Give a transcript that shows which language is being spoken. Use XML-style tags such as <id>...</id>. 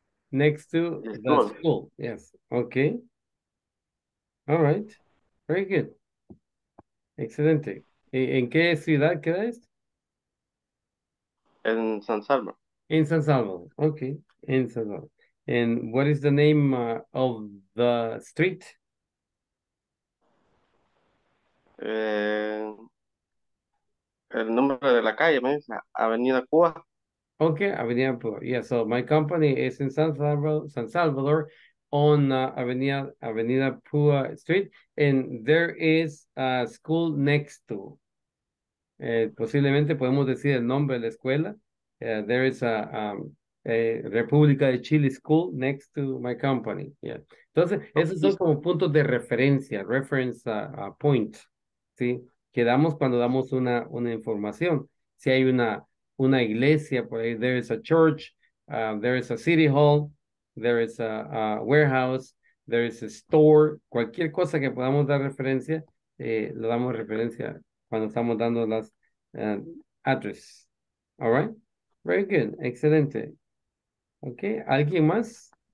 <en>Next to the school, yes. Okay. All right. Very good. Excelente.</en> <es>¿En qué ciudad queda esto? En San Salvo. En San Salvo. Okay. En San Salvo.</es> <en>And what is the name of the street?</en> <es>El nombre de la calle, me dice Avenida Cuba. Okay, Avenida Cuba.</es> <en>Yeah, so my company is in San Salvador on Avenida Pua Street, and there is a school next to.</en> <es>Posiblemente podemos decir el nombre de la escuela.</es> <en>There is a República de Chile School next to my company. Yeah.</en> <es>Entonces, esos son como puntos de referencia, reference point. ¿Sí? Quedamos cuando damos una información. Si hay una iglesia, por ahí,</es> <en>there is a church, there is a city hall, there is a warehouse, there is a store,</en> <es>cualquier cosa que podamos dar referencia, lo damos referencia cuando estamos dando las address.</es> <en>All right? Very good.</en> <es>Excelente. Okay. ¿Alguien más?</es>